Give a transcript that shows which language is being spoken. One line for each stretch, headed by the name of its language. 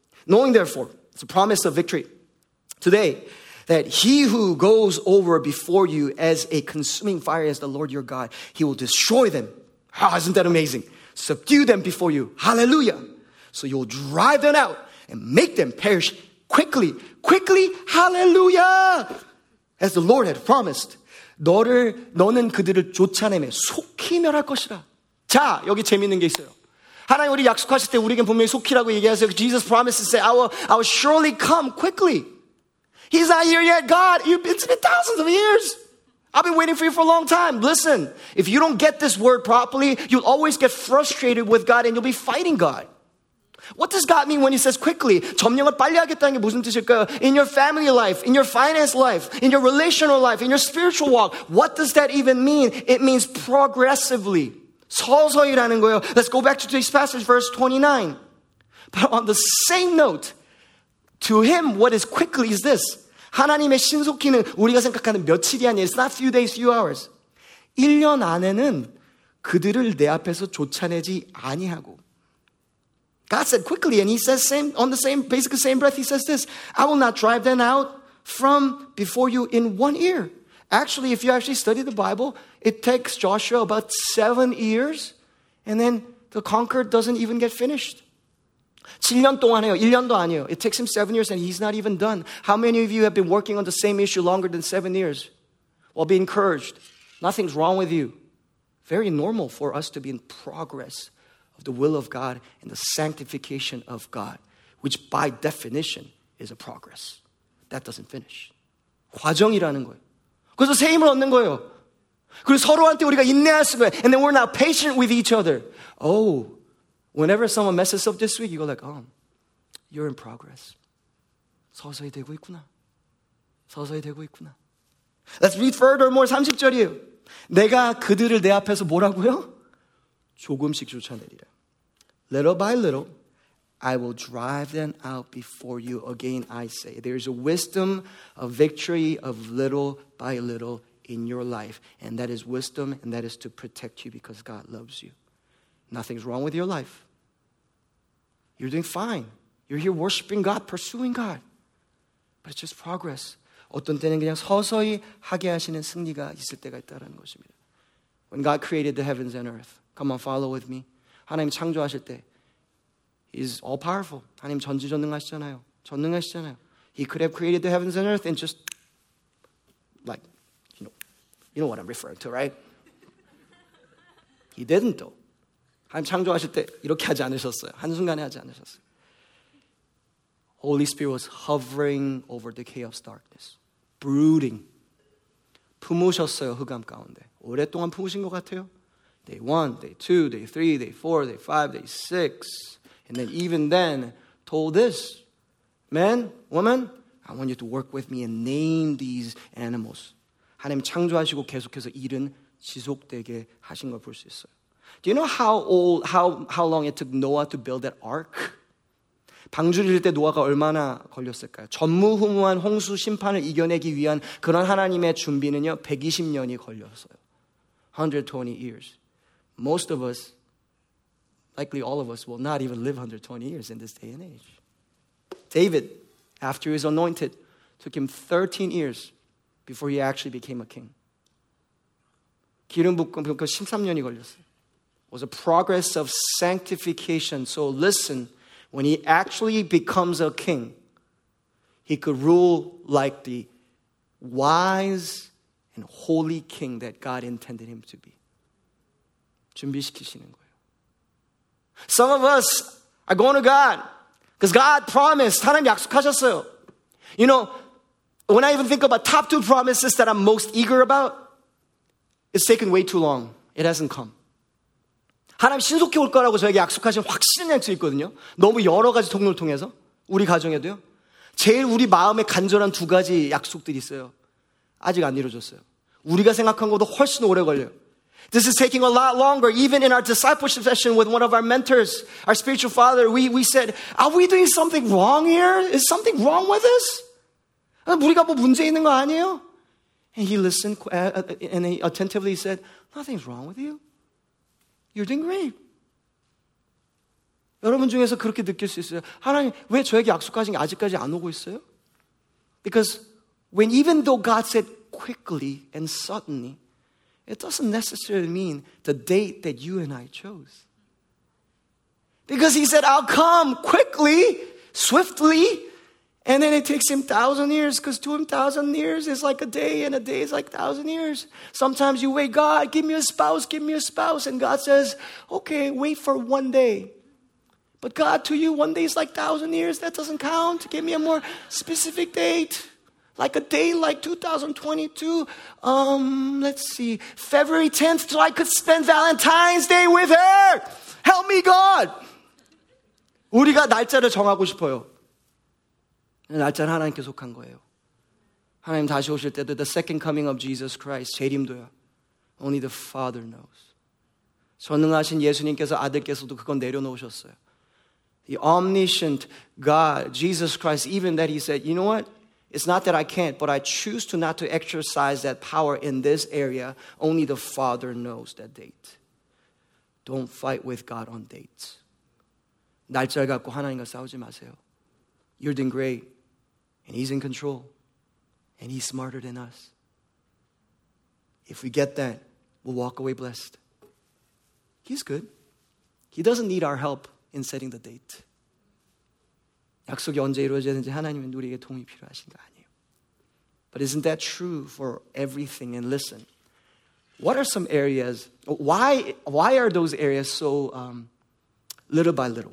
English: Knowing therefore, it's a promise of victory today, that he who goes over before you as a consuming fire as the Lord your God, he will destroy them. Oh, isn't that amazing? Subdue them before you. Hallelujah. So you'll drive them out and make them perish quickly. Quickly. Hallelujah. As the Lord had promised.
Korean: 너는 그들을 쫓아내며 속히 멸할 것이라. 자, 여기 재밌는 게 있어요. 하나님 우리 약속하실 때 우리에게 분명히 속히라고 얘기하세요.
English: Jesus promised to say, I will surely come quickly. He's not here yet, God. It's been thousands of years. I've been waiting for you for a long time. Listen, if you don't get this word properly, you'll always get frustrated with God and you'll be fighting God. What does God mean when he says quickly?
Korean: 점령을 빨리 하겠다는 게 무슨 뜻일까요?
English: In your family life, in your finance life, in your relational life, in your spiritual walk, what does that even mean? It means progressively.
Korean: 서서히라는 거예요.
English: Let's go back to today's passage, verse 29. But on the same note, to him, what is quickly is this.
Korean: 하나님의 신속히는 우리가 생각하는 며칠이 아니에요.
English: It's not few days, few hours.
Korean: 1년 안에는 그들을 내 앞에서 쫓아내지 아니하고.
English: God said quickly, and he says same on the same, basically same breath, he says this. I will not drive them out from before you in 1 year. Actually, if you actually study the Bible, it takes Joshua about 7 years, and then the conqueror doesn't even get finished.
Korean: 7년 동안 해요. 1년도 아니에요.
English: It takes him 7 years and he's not even done. How many of you have been working on the same issue longer than 7 years? Well, be encouraged. Nothing's wrong with you. Very normal for us to be in progress of the will of God and the sanctification of God, which by definition is a progress. That doesn't finish.
Korean: 과정이라는 거예요. 그래서 세임을 얻는 거예요. 그리고 서로한테 우리가 인내하는 거예요.
English: And then we're not patient with each other. Oh, whenever someone messes up this week, you go like, oh, you're in progress.
Korean: 서서히 되고 있구나. 서서히 되고 있구나.
English: Let's read further more.
Korean: 30절이에요. 내가 그들을 내 앞에서 뭐라고요? 조금씩 쫓아내리라.
English: Little by little, I will drive them out before you. Again, I say, there is a wisdom of victory of little by little in your life. And that is wisdom, and that is to protect you because God loves you. Nothing's wrong with your life. You're doing fine. You're here worshiping God, pursuing God. But it's just progress.
Korean: 어떤 때는 그냥 서서히 하게 하시는 승리가 있을 때가 있다는 것입니다.
English: When God created the heavens and earth, come on, follow with me.
Korean: 하나님 창조하실 때,
English: He's all powerful.
Korean: 하나님 전지전능하시잖아요. 전능하시잖아요.
English: He could have created the heavens and earth and just, like, you know what I'm referring to, right? He didn't though.
Korean: 하나님 창조하실 때 이렇게 하지 않으셨어요. 한순간에 하지 않으셨어요.
English: Holy Spirit was hovering over the chaos darkness. Brooding.
Korean: 품으셨어요, 흑암 가운데. 오랫동안 품으신 것 같아요.
English: Day 1, day 2, day 3, day 4, day 5, day 6. And then even then, told this. Man, woman, I want you to work with me and name these animals.
Korean: 하나님 창조하시고 계속해서 일은 지속되게 하신 걸 볼 수 있어요.
English: Do you know how long it took Noah to build that ark?
Korean: 방주 지을 때 노아가 얼마나 걸렸을까요? 전무후무한 홍수 심판을 이겨내기 위한 그런 하나님의 준비는요, 120년이 걸렸어요.
English: 120 years. Most of us, likely all of us, will not even live 120 years in this day and age. David, after he was anointed, took him 13 years before he actually became a king.
Korean: 기름 붓고 13년이 걸렸어요.
English: Was a progress of sanctification. So listen, when he actually becomes a king, he could rule like the wise and holy king that God intended him to be.
Korean: 준비시키시는 거예요.
English: Some of us are going to God because God promised.
Korean: 하나님 약속하셨어요.
English: You know, when I even think about top two promises that I'm most eager about, it's taken way too long. It hasn't come.
Korean: 하나님 신속히 올 거라고 저에게 약속하신 확신이 한 채 있거든요. 너무 여러 가지 통로를 통해서 우리 가정에도요. 제일 우리 마음에 간절한 두 가지 약속들이 있어요. 아직 안 이루어졌어요. 우리가 생각한 것보다 훨씬 오래 걸려요.
English: This is taking a lot longer. Even in our discipleship session with one of our mentors, our spiritual father, we said, are we doing something wrong here? Is something wrong with us?
Korean: 우리가 뭐 문제 있는 거 아니에요?
English: And he listened and he attentively said, nothing's wrong with you. You're doing great.
Korean: 여러분 중에서 그렇게 느낄 수 있어요. 하나님, 왜 저에게 약속하신 게 아직까지 안 오고 있어요?
English: Because when even though God said quickly and suddenly, it doesn't necessarily mean the date that you and I chose. Because he said, I'll come quickly, swiftly, and then it takes him 1,000 years, because to him 1,000 years is like a day, and a day is like 1,000 years. Sometimes you wait, God, give me a spouse, give me a spouse, and God says, okay, wait for one day. But God, to you, one day is like 1,000 years, that doesn't count. Give me a more specific date. Like a day like 2022, let's see, February 10th, so I could spend Valentine's Day with her. Help me, God.
Korean: 우리가 날짜를 정하고 싶어요. 날짜는 하나님께 속한 거예요. 하나님 다시 오실 때도
English: the second coming of Jesus Christ,
Korean: 재림도요.
English: Only the Father knows.
Korean: 전능하신 예수님께서 아들께서도 그건 내려놓으셨어요.
English: The omniscient God, Jesus Christ, even that he said, you know what? It's not that I can't, but I choose to not to exercise that power in this area. Only the Father knows that date. Don't fight with God on dates.
Korean: 날짜를 갖고 하나님과 싸우지 마세요.
English: You're doing great, and he's in control, and he's smarter than us. If we get that, we'll walk away blessed. He's good. He doesn't need our help in setting the date.
Korean: 약속이 언제 이루어지는지 하나님은 우리에게 도움이 필요하신 거 아니에요.
English: But isn't that true for everything? And listen, what are some areas, why are those areas so little by little?